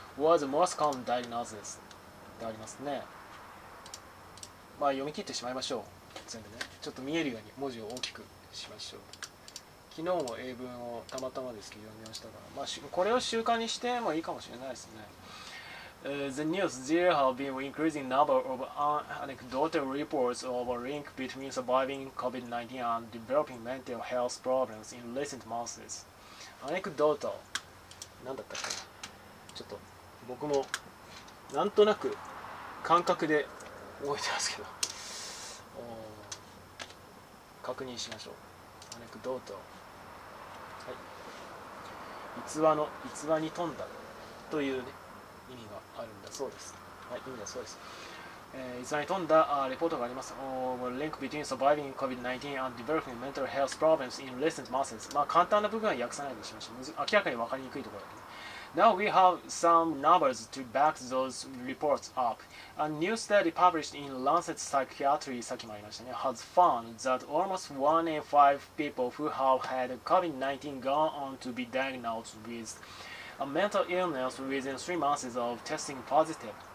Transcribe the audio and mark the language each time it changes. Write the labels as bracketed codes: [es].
[en] Was the most common diagnosis. [ja] ってありますね。まあ読み切ってしまいましょう。全部ね。ちょっと見えるように文字を大きくしましょう。昨日も英文をたまたまですけど読みましたが、まあこれを習慣にしてもいいかもしれないですね。 [en] The news there have been increasing number of anecdotal reports of a link between surviving COVID-19 and developing mental health problems in recent months. [ja] Anecdotal. 何だったっけ？ちょっと僕もなんとなく感覚で覚えてますけど、確認しましょう。Anecdotal. はい。逸話に富んだという、ね、意味があるんだそうです。はい、意味だそうです。逸話に富んだレポートがあります。 [en] Link between surviving COVID-19 and developing mental health problems in recent months。 [ja] まあ、簡単な部分は訳さないでしょうし、明らかに分かりにくいところだね。 [en] Now we have some numbers to back those reports up. A new study published in Lancet Psychiatry, [ja] さっきもありましたね、 [en] has found that almost 1 in 5 people who have had COVID-19 gone on to be diagnosed with a mental illness within 3 months of testing positive.